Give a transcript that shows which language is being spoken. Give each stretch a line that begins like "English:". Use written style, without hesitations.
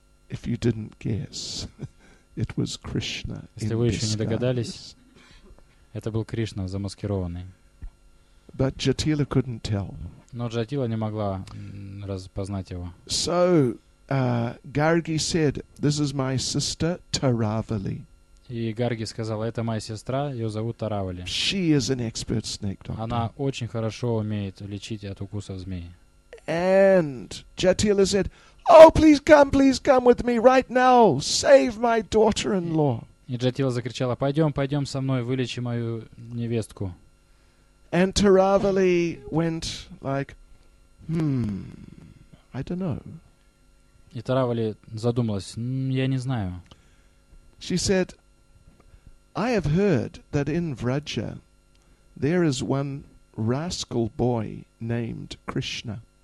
English: If you didn't guess, it was Krishna.
Russian: Если вы еще не догадались, это был Кришна замаскированный.
English: But Jatila couldn't tell.
Russian: Но Джатила не могла распознать его.
English: So, Gargi said, "This is my sister Taravali."
Russian: И Гарги сказала: "Это моя сестра, ее зовут Таравали."
English: She is an expert snake doctor.
Russian: Она очень хорошо умеет лечить от укусов змей.
English: And Jatila said, "Oh, please come with me right now. Save my daughter-in-law."
Russian: И Джатила закричала: "Пойдем со мной, вылечи мою невестку."
English: And Taravali went like, I don't know.
Russian: И Таравали задумалась: я не знаю.
English: She said, "I have heard that in Vraja there is one rascal boy named Krishna."